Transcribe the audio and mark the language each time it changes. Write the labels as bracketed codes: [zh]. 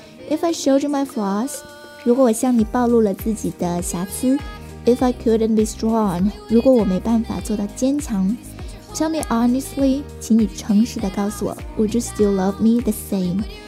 [en] If I showed you my flaws, [zh] 如果我向你暴露了自己的瑕疵。 [en] If I couldn't be strong, [zh] 如果我没办法做到坚强。 [en] Tell me honestly, [zh] 请你诚实地告诉我。 [en] Would you still love me the same?